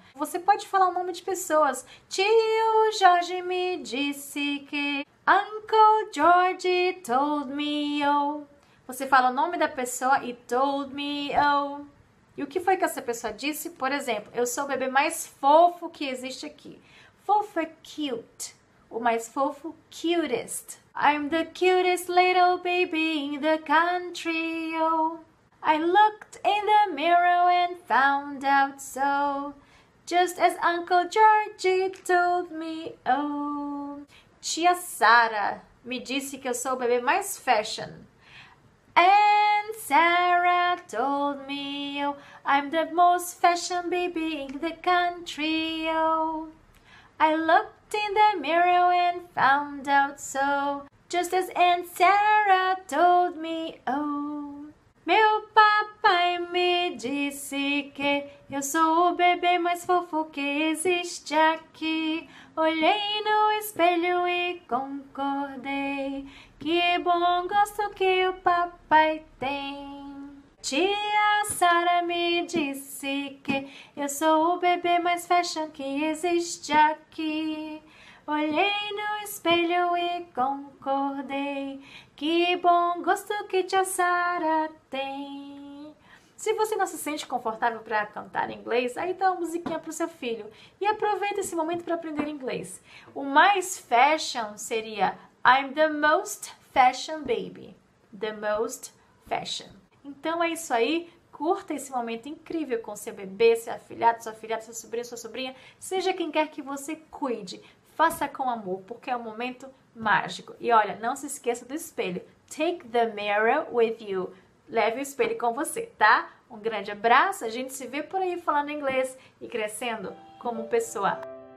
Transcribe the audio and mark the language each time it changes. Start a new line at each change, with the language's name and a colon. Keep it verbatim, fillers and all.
Portuguese: Você pode falar o nome de pessoas. Tio Jorge me disse que...
English: Uncle George told me oh.
Portuguese: Você fala o nome da pessoa e
English: told me oh.
Portuguese: E o que foi que essa pessoa disse? Por exemplo, eu sou o bebê mais fofo que existe aqui. Fofo é cute. O mais fofo, cutest.
English: I'm the cutest little baby in the country, oh. I looked in the mirror and found out so, just as Uncle Georgie told me, oh.
Portuguese: Tia Sara me disse que eu sou o bebê mais fashion.
English: And Sarah told me, oh, I'm the most fashion baby in the country, oh. I looked in the mirror and found out so, just as Aunt Sarah told me oh.
Portuguese: Meu papai me disse que eu sou o bebê mais fofo que existe aqui. Olhei no espelho e concordei. Que bom gosto que o papai tem. Tia Sara me disse que eu sou o bebê mais fashion que existe aqui. Olhei no espelho e concordei. Que bom gosto que tia Sara tem. Se você não se sente confortável para cantar inglês, aí dá uma musiquinha pro seu filho. E aproveita esse momento para aprender inglês. O mais fashion seria
English: I'm the most fashion baby. The most fashion.
Portuguese: Então é isso aí. Curta esse momento incrível com seu bebê, seu afilhado, sua afilhada, seu sobrinho, sua sobrinha, seja quem quer que você cuide. Faça com amor, porque é um momento mágico. E olha, não se esqueça do espelho.
English: Take the mirror with you.
Portuguese: Leve o espelho com você, tá? Um grande abraço, a gente se vê por aí falando inglês e crescendo como pessoa.